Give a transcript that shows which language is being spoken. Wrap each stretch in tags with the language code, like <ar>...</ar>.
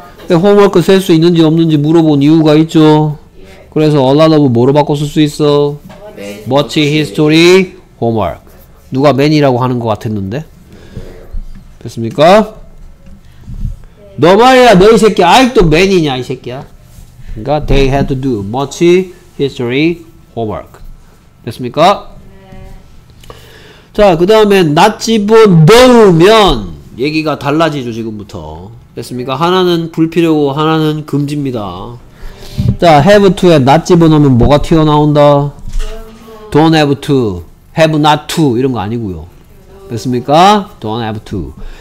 <ko>홈워크 셀 수 있는지 없는지 물어본 이유가 있죠. 그래서 a lot of 뭐로 바꿔 쓸 수 있어?</ko> <en>Much history homework.</en> <ko>누가 man이라고 하는 것 같았는데? 됐습니까? 너 말이야 너 이 새끼 아직도 man이냐 이 새끼야. 그러니까</ko> <en>they had to do much history homework.</en> <ko>됐습니까? 자, 그 다음에 not 집어 넣으면 얘기가 달라지죠 지금부터. 됐습니까? 하나는 불필요고 하나는 금지입니다. 자, have to에 not 집어넣으면 뭐가 튀어나온다?</ko> <en>Don't have to. Have not to.</en> <ko>이런 거 아니고요. 됐습니까? Don't have to.</ko>